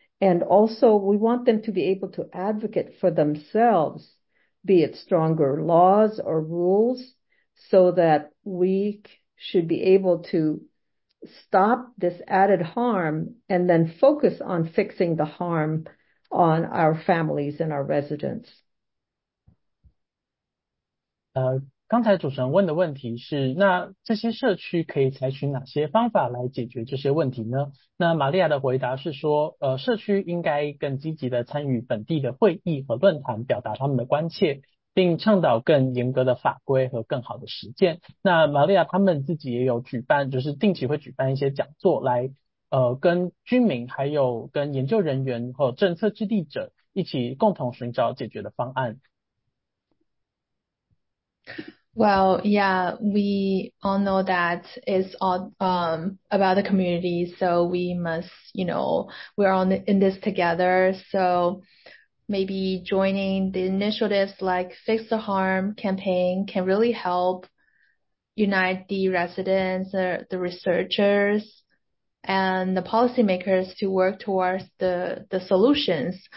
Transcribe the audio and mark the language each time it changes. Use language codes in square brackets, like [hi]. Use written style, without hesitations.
[en] And also we want them to be able to advocate for themselves, be it stronger laws or rules, so that we should be able to stop this added harm and then focus on fixing the harm on our families and our residents. [zh] 刚才主持人问的问题是，那这些社区可以采取哪些方法来解决这些问题呢？那玛利亚的回答是说，社区应该更积极的参与本地的会议和论坛，表达他们的关切，并倡导更严格的法规和更好的实践。那玛利亚他们自己也有举办，就是定期会举办一些讲座来，跟居民还有跟研究人员和政策制定者一起共同寻找解决的方案。 [en] Well, yeah, we all know that it's all about the community, so we must, you know, we're all in this together. So maybe joining the initiatives like Fix the Harm campaign can really help unite the residents, the researchers, and the policymakers to work towards the solutions.